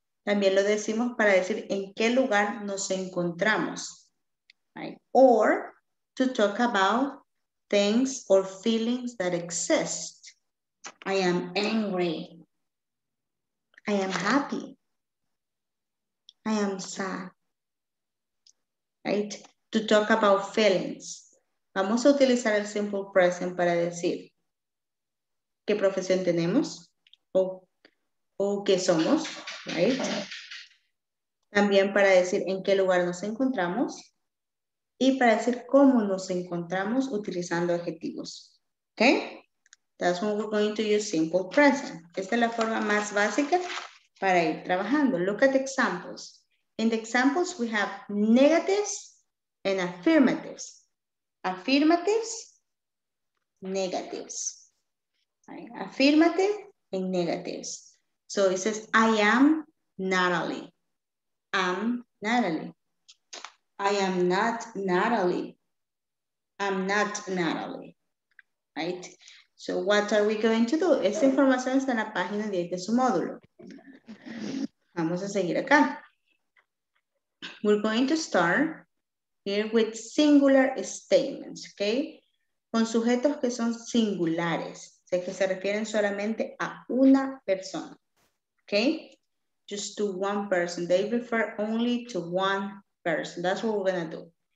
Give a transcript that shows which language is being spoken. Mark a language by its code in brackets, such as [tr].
[es] También lo decimos para decir en qué lugar nos encontramos, right? [en] Or to talk about things or feelings that exist. I am angry. I am happy. I am sad. Right? To talk about feelings. [es] Vamos a utilizar el simple present para decir qué profesión tenemos o qué somos. Right? También para decir en qué lugar nos encontramos y para decir cómo nos encontramos utilizando adjetivos. [en] Okay? That's when we're going to use simple present. [es] Esta es la forma más básica para ir trabajando. [en] Look at examples. In the examples, we have negatives and affirmatives. Affirmatives, negatives. Right? Affirmative and negatives. So it says, I am Natalie. I'm Natalie. I am not Natalie. I'm not Natalie. Right? So what are we going to do? [es] Esta información está en la página 10 de su módulo. Vamos a seguir acá. [en] We're going to start here with singular statements, okay? [es] Con sujetos que son singulares, o sea, que se refieren solamente a una persona, okay? [en] Just to one person. They refer only to one person. That's what we're gonna do.